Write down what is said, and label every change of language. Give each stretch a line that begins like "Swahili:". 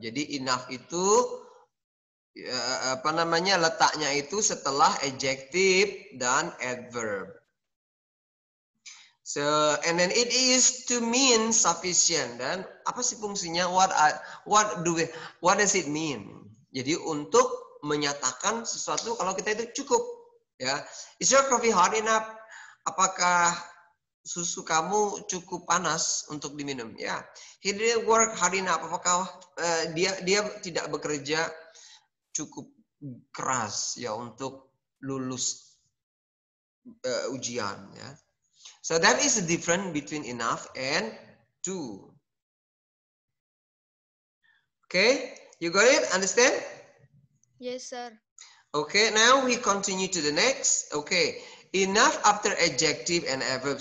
Indonesian: Jadi enough itu apa namanya letaknya itu setelah adjective dan adverb.
English: So and then it is to mean sufficient.
Indonesian: Dan apa sih fungsinya?
English: What does it mean?
Indonesian: Jadi untuk menyatakan sesuatu kalau kita itu cukup. Ya,
English: is your coffee hot enough?
Indonesian: Apakah susu kamu cukup panas untuk diminum? Ya, yeah.
English: He didn't work hard enough.
Indonesian: Apakah dia tidak bekerja cukup keras ya untuk lulus ujian ya.
English: So that is the difference between enough and to. Okay, you got it? Understand? Yes, sir. Okay, now we continue to the next. Okay. Enough after adjective and adverb.